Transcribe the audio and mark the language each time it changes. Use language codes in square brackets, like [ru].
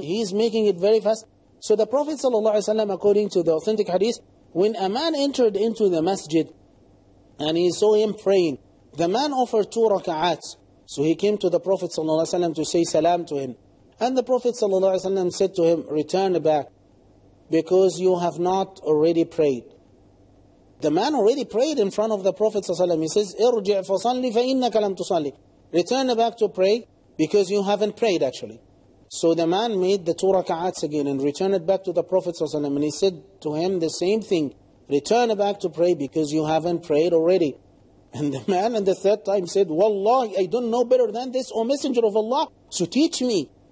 [en] He's making it very fast. So the Prophet ﷺ, according to the authentic hadith, when a man entered into the masjid, and he saw him praying, the man offered two raka'ats. So he came to the Prophet ﷺ to say salam to him. And the Prophet ﷺ said to him, "Return back, because you have not already prayed." The man already prayed in front of the Prophet ﷺ. He says, [ar] ارجع فصلي فإنك لم تصلي. [en] Return back to pray because you haven't prayed actually. So the man made the two raka'ats again and returned back to the Prophet ﷺ. And he said to him the same thing. Return back to pray because you haven't prayed already. And the man in the third time said, Wallahi, I don't know better than this, O Messenger of Allah. So teach me.